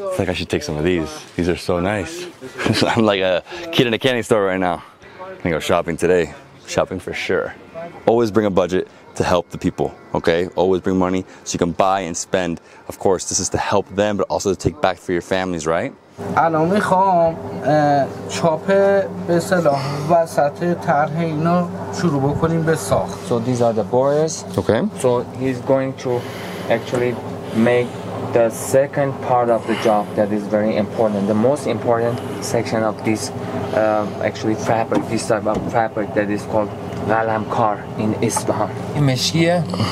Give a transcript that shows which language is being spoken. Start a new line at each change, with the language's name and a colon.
English: I think I should take some of these. These are so nice. I'm like a kid in a candy store right now. I'm gonna go shopping today. Shopping for sure. Always bring a budget to help the people, okay? Always bring money so you can buy and spend. Of course, this is to help them, but also to take back for your families, right?
Persian: الان میخوام چاپ به اصطلاح وسط طرح اینا شروع بکنیم به ساخت.
English: So these are the boards. Okay. So he's going to actually make the second part of the job that is very important, the most important section of this actually fabric, this type of fabric that is called qalamkar in Isfahan.
Persian: این مشکیه؟